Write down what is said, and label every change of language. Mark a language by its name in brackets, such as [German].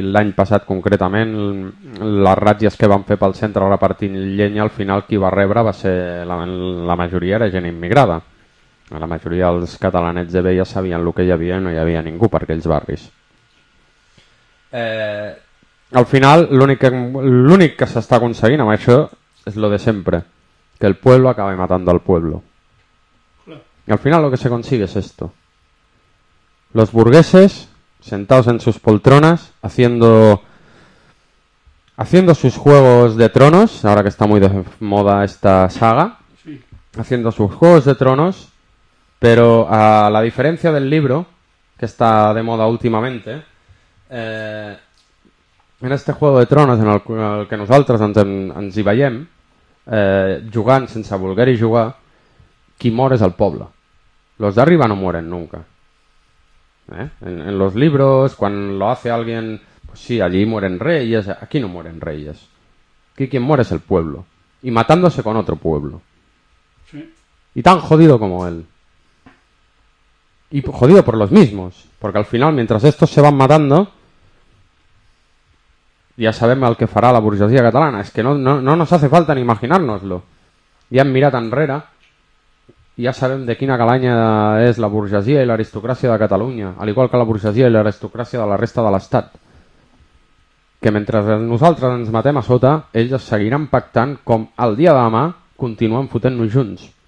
[Catalan] L'any passat concretament les ratlles que van fer pel centre repartint llenya, al final qui va rebre va ser la majoria era gent immigrada. La majoria dels catalanets de bé ja sabien el que hi havia i no hi havia ningú per aquells barris. Al final l'únic que s'està aconseguint amb això és lo de sempre, [Spanish] que el pueblo acabe matando al pueblo. I al final lo que se consigue es esto. Los burgueses sentados en sus poltronas haciendo sus juegos de tronos, ahora que está muy de moda esta saga, haciendo sus juegos de tronos, pero a la diferencia del libro, que está de moda últimamente, en este juego de tronos en el que nosotros [Catalan] ens hi veiem, jugant sense voler jugar, qui mor és el poble. [Spanish] Los de arriba no mueren nunca. En los libros, cuando lo hace alguien, pues sí, allí mueren reyes, aquí no mueren reyes. Aquí quien muere es el pueblo. Y matándose con otro pueblo. Sí. Y tan jodido como él. Y jodido por los mismos. Porque al final, mientras estos se van matando, ya sabemos al que fará la burguesía catalana. Es que no nos hace falta ni imaginárnoslo. Ya han mirado enrere. [Catalan] Ja sabem de quina calanya és la burgesia i l'aristocràcia de Catalunya, al igual que la burgesia i l'aristocràcia de la resta de l'Estat. Que mentre nosaltres ens matem a sota, ells es seguiran pactant com el dia de demà continuen fotent-nos junts.